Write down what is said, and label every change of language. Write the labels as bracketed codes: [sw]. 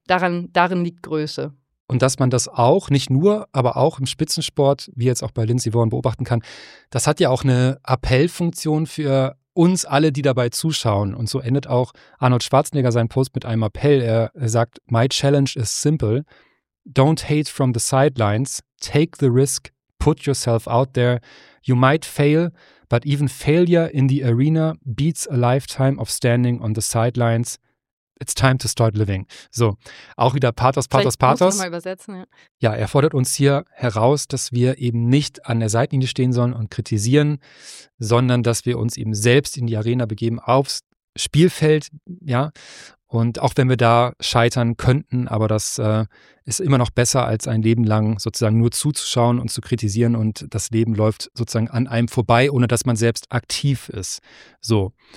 [de] Darin liegt Größe. Und dass man das auch, nicht nur, aber auch im Spitzensport, wie jetzt auch bei Lindsay Vonn beobachten kann, das hat ja auch eine Appellfunktion für uns alle, die dabei zuschauen. Und so endet auch Arnold Schwarzenegger seinen Post mit einem Appell. Er sagt, [en] my challenge is simple. don't hate from the sidelines, take the risk, put yourself out there. You might fail, but even failure in the arena beats a lifetime of standing on the sidelines. It's time to start living. [de] So, auch wieder Pathos, Pathos, Pathos. Muss ich nochmal übersetzen, ja. Ja, er fordert uns hier heraus, dass wir eben nicht an der Seitenlinie stehen sollen und kritisieren, sondern dass wir uns eben selbst in die Arena begeben, aufs Spielfeld, ja. Und auch wenn wir da scheitern könnten, aber das ist immer noch besser, als ein Leben lang sozusagen nur zuzuschauen und zu kritisieren und das Leben läuft sozusagen an einem vorbei, ohne dass man selbst aktiv ist. So.